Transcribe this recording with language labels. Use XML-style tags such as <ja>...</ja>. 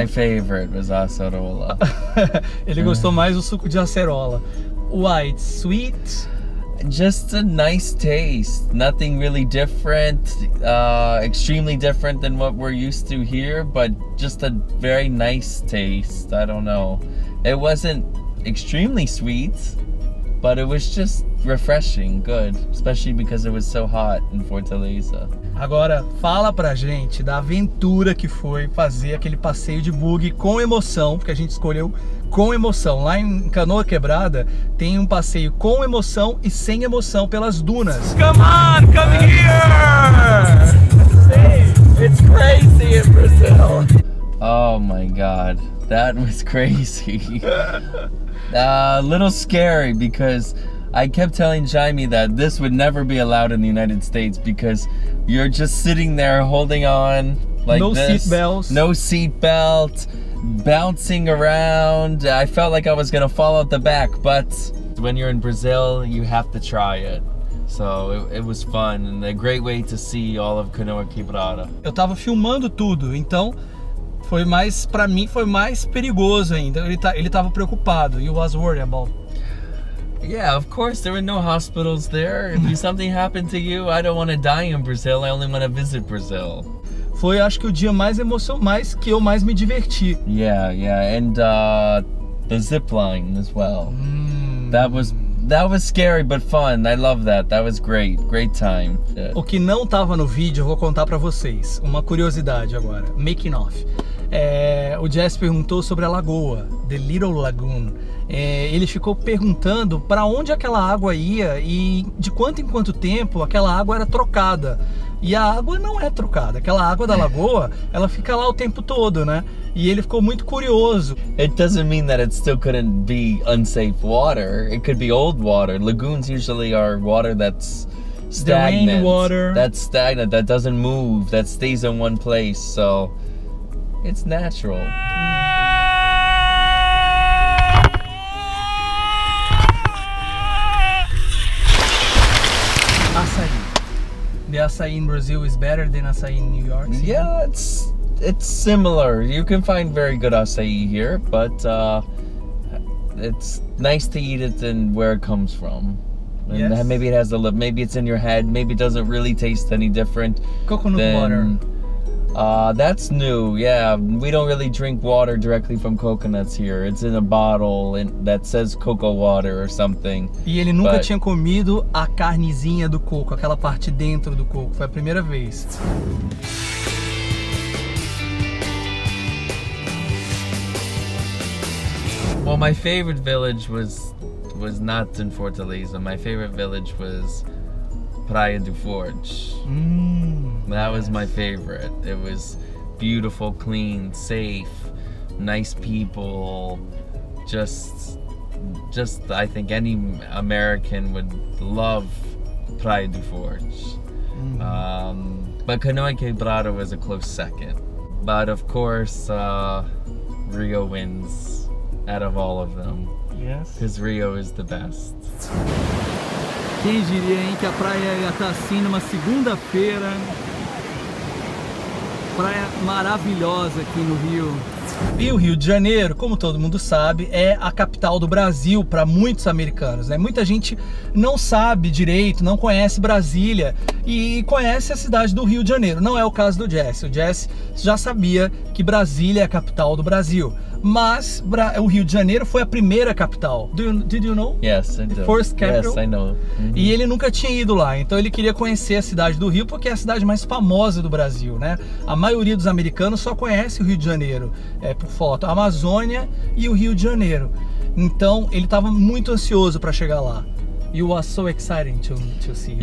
<en>My favorite was acerola.</en> <pt>Ele gostou mais do suco de acerola.</pt> <en>Why? It's sweet? Just a nice taste. Nothing really different. Extremely different than what we're used to here, but just a very nice taste. I don't know. It wasn't extremely sweet, but it was just refreshing, good. Especially because it was so hot in Fortaleza.</en> <pt>Agora, fala pra gente da aventura que foi fazer aquele passeio de buggy com emoção, porque a gente escolheu com emoção. Lá em Canoa Quebrada, tem um passeio com emoção e sem emoção pelas dunas.</pt> <en>Come on, come here! Hey, it's crazy in Brazil. Oh my God, that was crazy. A little scary, because I kept telling Jaime that this would never be allowed in the United States because you're just sitting there holding on like no this. No seat belts. No seat belt, bouncing around. I felt like I was gonna fall out the back, but when you're in Brazil, you have to try it. So it was fun and a great way to see all of Canoa Quebrada.</en> <pt>Eu tava filmando tudo, então foi mais, pra mim foi mais perigoso ainda. Ele tava preocupado.</pt> <en>He was worried about. Yeah, of course, there were no hospitals there. If something happened to you, I don't want to die in Brazil. I only want to visit Brazil.</en> <pt>Foi, acho que o dia mais emocionante, mais que eu mais me diverti.</pt> <en>Yeah, yeah, and the zip line as well. Mm. That was That was scary, but fun. I love that. That was great. Great time. Yeah.</en> <pt>O que não tava no vídeo, eu vou contar pra vocês. Uma curiosidade agora. Making off. O Jess perguntou sobre a lagoa, The Little Lagoon. Ele ficou perguntando para onde aquela água ia e de quanto em quanto tempo aquela água era trocada. E a água não é trocada, aquela água da lagoa, ela fica lá o tempo todo, né? E ele ficou muito curioso.</pt> <en>It doesn't mean that it still couldn't be unsafe water. It could be old water. Lagoons usually are water that's stagnant. The rainwater. That's stagnant, that doesn't move, that stays in one place, so it's natural. Açaí. The açaí in Brazil is better than açaí in New York City. Yeah, it's similar. You can find very good açaí here, but it's nice to eat it in where it comes from. And yes. Maybe it has a little, maybe it's in your head, maybe it doesn't really taste any different. Coconut than, water. That's new, yeah. We don't really drink water directly from coconuts here. It's in a bottle that says cocoa water or something.</en> <pt>E ele nunca tinha comido a carnezinha do coco, aquela parte dentro do coco. Foi a primeira vez.</pt> <en>Well, my favorite village was not in Fortaleza. My favorite village was Praia do Forte. That was my favorite. It was beautiful, clean, safe, nice people. Just I think any American would love Praia do Forte. Mm-hmm. But Canoa Quebrada was a close second. But of course, Rio wins out of all of them. Yes. Because Rio is the best.</en> <pt>Quem diria, hein, que a praia ia estar assim numa segunda-feira? Praia maravilhosa aqui no Rio. E o Rio de Janeiro, como todo mundo sabe, é a capital do Brasil para muitos americanos, né? Muita gente não sabe direito, não conhece Brasília e conhece a cidade do Rio de Janeiro. Não é o caso do Jesse. O Jesse já sabia que Brasília é a capital do Brasil. Mas o Rio de Janeiro foi a primeira capital.</pt> <en>Did you know? Yes, I did. First capital? Yes, I know. Mm-hmm.</en> <pt>E ele nunca tinha ido lá, então ele queria conhecer a cidade do Rio porque é a cidade mais famosa do Brasil, né? A maioria dos americanos só conhece o Rio de Janeiro por foto, a Amazônia e o Rio de Janeiro. Então ele estava muito ansioso para chegar lá.</pt> <en>You are so excited to see you.</en>